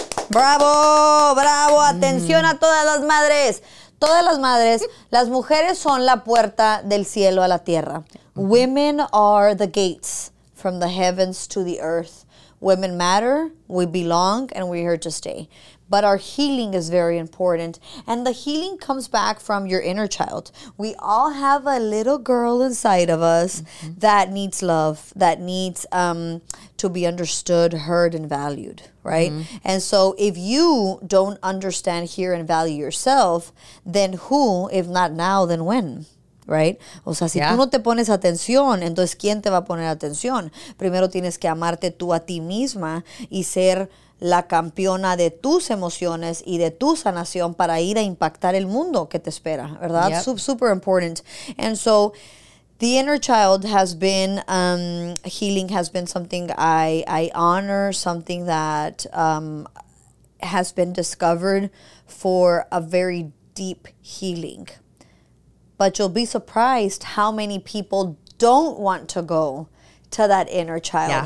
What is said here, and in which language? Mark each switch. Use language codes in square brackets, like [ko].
[es] Bravo, bravo, atención a todas las madres, las mujeres son la puerta del cielo a la tierra. Mm-hmm. [en] Women are the gates from the heavens to the earth. Women matter, we belong, and we're here to stay. But our healing is very important, and the healing comes back from your inner child. We all have a little girl inside of us mm-hmm. that needs love, that needs to be understood, heard, and valued, right? Mm-hmm. And so if you don't understand, hear, and value yourself, then who, if not now, then when? Right? [es] O sea, si tú no te pones atención, entonces ¿quién te va a poner atención? Primero tienes que amarte tú a ti misma y ser la campeona de tus emociones y de tu sanación para ir a impactar el mundo que te espera, ¿verdad? [en] Yep. Super important. And so the inner child has been, healing has been something I honor, something that has been discovered for a very deep healing. But you'll be surprised how many people don't want to go to that inner child. Yeah.